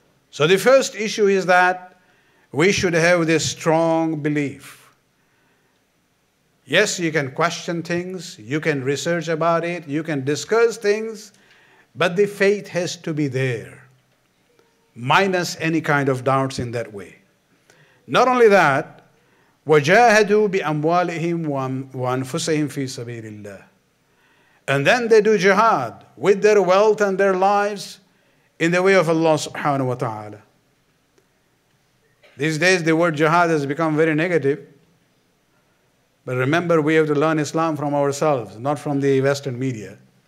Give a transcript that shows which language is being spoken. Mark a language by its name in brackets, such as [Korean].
[English] So the first issue is that we should have this strong belief. Yes, you can question things, you can research about it, you can discuss things, but the faith has to be there, minus any kind of doubts in that way. Not only that, [Arabic] وَجَاهَدُوا بِأَمْوَالِهِمْ وَأَنفُسِهِمْ فِي سَبِيلِ اللَّهِ. [English] And then they do jihad with their wealth and their lives in the way of Allah subhanahu wa ta'ala. These days the word jihad has become very negative. But remember, we have to learn Islam from ourselves, not from the Western media.